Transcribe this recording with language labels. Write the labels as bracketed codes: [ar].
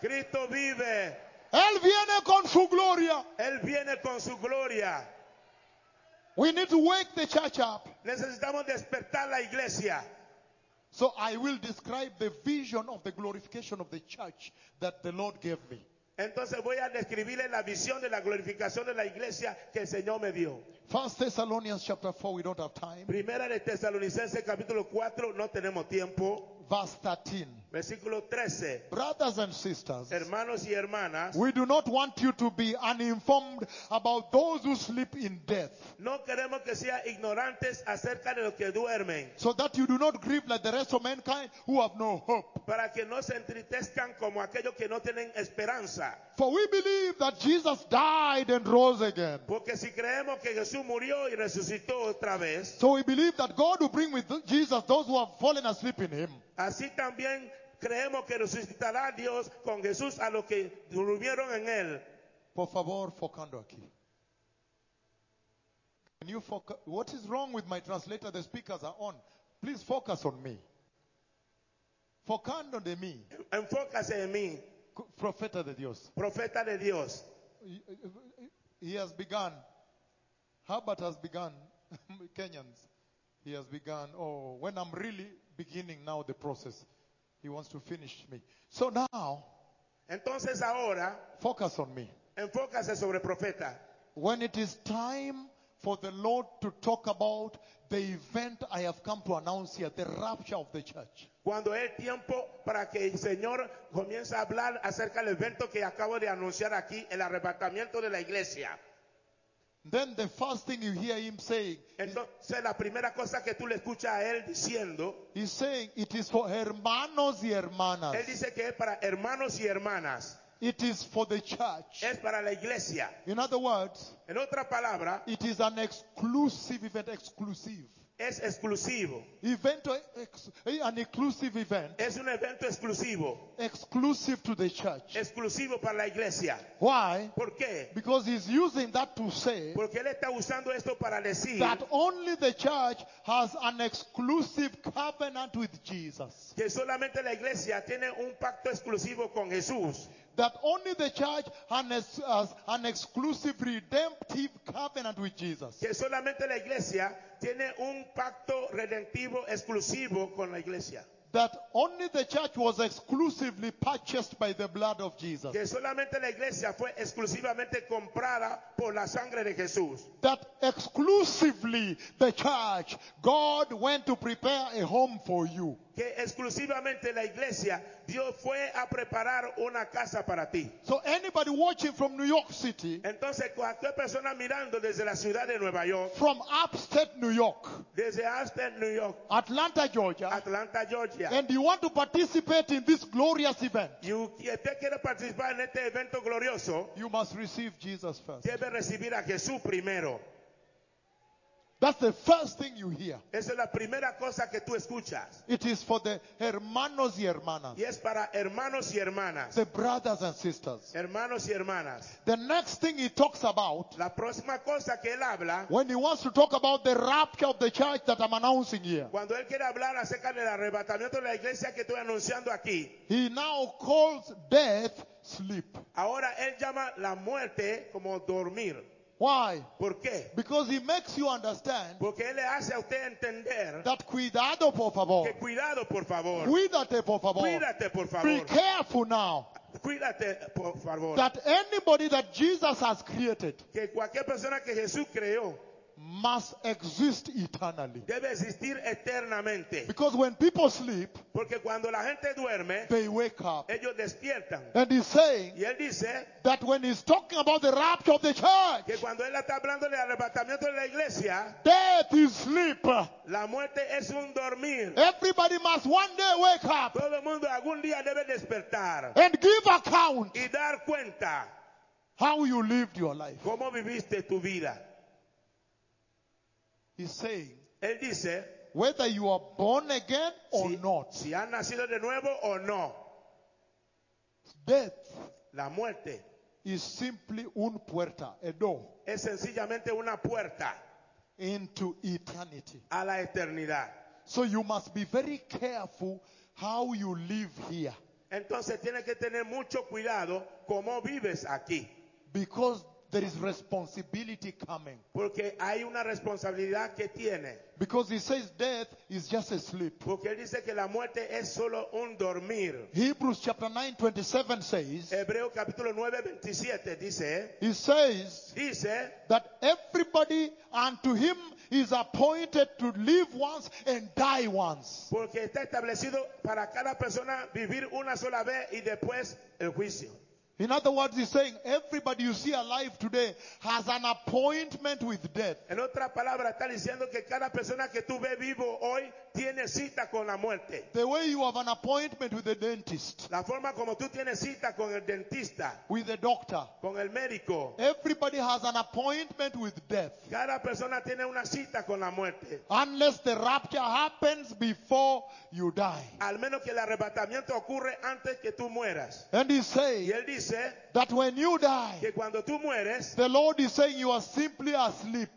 [es] ¡Cristo vive! Él viene con su gloria. Él viene con su gloria. [en] We need to wake the church up. [es] Necesitamos despertar la iglesia. [en] So I will describe the vision of the glorification of the church that the Lord gave me. [es] Entonces voy a describirle la visión de la glorificación de la iglesia que el Señor me dio. [en] 1 Thessalonians chapter 4, we don't have time. [es] Primera de Tesalonicenses capítulo 4, no tenemos tiempo. [en] Verse 13. [es] Versículo 13. [en] Brothers and sisters, [es] hermanos y hermanas, [en] we do not want you to be uninformed about those who sleep in death. [es] No queremos que sean ignorantes acerca de los que duermen. [en] So that you do not grieve like the rest of mankind who have no hope. [es] Para que no se entristezcan como aquellos que no tienen esperanza. [en] For we believe that Jesus died and rose again. [es] Porque si creemos que Jesús murió y resucitó otra vez. [en] So we believe that God will bring with Jesus those who have fallen asleep in him. [es] Así también creemos que resucitará Dios con Jesús a los que durmieron en él. Por favor, focando aquí. [en] Can you focus? What is wrong with my translator? The speakers are on. Please focus on me. [es] Focando de mí. Enfócase en mí. Profeta de Dios. Profeta de Dios. [en] He has begun. Herbert has begun. Kenyans. He has begun. Oh, when I'm really beginning now the process. He wants to finish me. So now, [es] entonces ahora, [en] focus on me. [es] Enfócase sobre profeta. [en] When it is time for the Lord to talk about the event I have come to announce here, the rapture of the church. [es] Cuando es tiempo para que el Señor comience a hablar acerca del evento que acabo de anunciar aquí, el arrebatamiento de la iglesia. [en] Then the first thing you hear him saying, [es] entonces, la primera cosa que tú le escuchas a él diciendo, [en] he's saying it is for [es] hermanos y hermanas. Él dice que es para hermanos y hermanas. [en] It is for the church. [es] Es para la iglesia. [en] In other words, [es] en otra palabra, [en] it is an exclusive event, exclusive. [es] Es exclusivo. [en] Evento, an exclusive event. [es] Es un evento exclusivo. [en] Exclusive to the church. [es] Exclusivo para la iglesia. [en] Why? [es] ¿Por qué? [en] Because he's using that to say. [es] Porque él está usando esto para decir. [en] That only the church has an exclusive covenant with Jesus. [es] Que solamente la iglesia tiene un pacto exclusivo con Jesús. [en] That only the church has an exclusive redemptive covenant with Jesus. [es] Que solamente la iglesia tiene un pacto redentivo exclusivo con la iglesia. [en] That only the church was exclusively purchased by the blood of Jesus. [es] Que solamente la iglesia fue exclusivamente comprada por la sangre de Jesús. [en] That exclusively the church, God went to prepare a home for you. [es] Que exclusivamente la iglesia, Dios fue a preparar una casa para ti. [en] So anybody watching from New York City. [es] Entonces cualquier persona mirando desde la ciudad de Nueva York. [en] From upstate New York. [es] Desde upstate New York. Atlanta, Georgia. Atlanta, Georgia. [en] And you want to participate in this glorious event. [es] Y usted quiere participar en este evento glorioso. [en] You must receive Jesus first. [es] Debe recibir a Jesús primero. [en] That's the first thing you hear. [es] Esa es la primera cosa que tú escuchas. [en] It is for the [es] hermanos y hermanas. Y es para hermanos y hermanas. [en] The brothers and sisters. [es] Hermanos y hermanas. [en] The next thing he talks about. [es] La próxima cosa que él habla. [en] When he wants to talk about the rapture of the church that I'm announcing here. [es] Cuando él quiere hablar acerca del arrebatamiento de la iglesia que estoy anunciando aquí. [en] He now calls death sleep. [es] Ahora él llama la muerte como dormir. [en] Why? [es] ¿Por qué? [en] Because he makes you understand. [es] Porque él le hace a usted entender. That cuidado por favor. Que cuidado por favor. Cuídate por favor. Cuídate por favor. [en] Be careful now. [es] Cuídate por favor. [en] That anybody that Jesus has created. [es] Que cualquier persona que Jesús creó. [en] must exist eternally. [es] Debe existir eternamente. [en] Because when people sleep, [es] porque cuando la gente duerme, [en] they wake up. [es] Ellos despiertan. [en] And he's saying, [es] y él dice, [en] that when he's talking about the rapture of the church, [es] que cuando él está hablando del arrebatamiento de la iglesia, [en] death is sleep. [es] La muerte es un dormir. [en] Everybody must one day wake up. [es] Todo el mundo algún día debe despertar. [en] And give account. [es] Y dar cuenta. [en] How you lived your life. [es] ¿Cómo viviste tu vida? [en] He's saying, [es] él dice, [en] whether you are born again or not, [es] si has nacido de nuevo o no, [en] death, [es] la muerte, [en] is simply [es] un puerta, [en] a door, [es] es sencillamente una puerta, [en] into eternity, [es] a la eternidad. [en] So you must be very careful how you live here. [es] Entonces tienes que tener mucho cuidado cómo vives aquí. [en] Because there is responsibility coming. [es] Porque hay una responsabilidad que tiene. [en] Because he says death is just a sleep. [es] Porque él dice que la muerte es solo un dormir. [en] Hebrews chapter 9:27 says. [es] Hebreo capítulo 9:27 dice. [en] He says. [es] Dice [en] that everybody unto him is appointed to live once and die once. [es] Porque está establecido para cada persona vivir una sola vez y después el juicio. [en] In other words, he's saying everybody you see alive today has an appointment with death. [es] En otra palabra, está diciendo que cada persona que tú ves vivo hoy tiene cita con la muerte. [en] The way you have an appointment with the dentist. [es] La forma como tú tienes cita con el dentista. [en] With the doctor. [es] Con el médico. [en] Everybody has an appointment with death. [es] Cada persona tiene una cita con la muerte. [en] Unless the rapture happens before you die. [es] Al menos que el arrebatamiento ocurre antes que tú mueras. [en] And he's saying. [es] Y él dice. [en] That when you die. [es] Que cuando tú mueres. [en] The Lord is saying you are simply asleep.